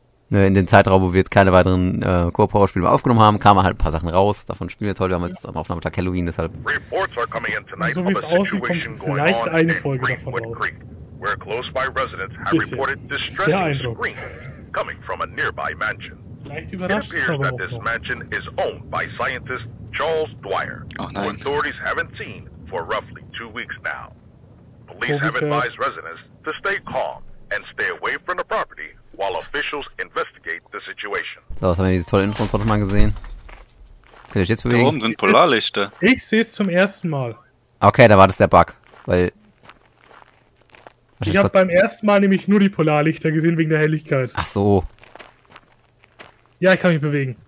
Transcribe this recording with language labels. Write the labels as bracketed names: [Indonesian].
[German] In den Zeitraum, wo wir jetzt keine weiteren Koop-Horror-Spiele mehr aufgenommen haben, kamen halt ein paar Sachen raus. Davon spielen wir jetzt heute. Wir haben jetzt am Aufnahmetag Halloween, deshalb. [English] Reports are coming in tonight. [German] So wie es aussieht, kommt vielleicht eine Folge davon raus. [English] Where close by residents have reported distressing screams coming from a nearby mansion. It appears that this mansion is owned by scientist Charles Dwyer, who authorities haven't seen for roughly 2 weeks now. Police have advised residents to stay calm and stay away from the property while officials investigate the situation. [German] So, was haben wir dieses tolle Intro noch mal gesehen? Könnt ihr euch jetzt bewegen? Da oben sind Polarlichter. Ich sehe es zum ersten Mal. Okay, da war das der Bug, weil... Ich habe beim ersten Mal nämlich nur die Polarlichter gesehen, wegen der Helligkeit. Ach so. Ja, ich kann mich bewegen.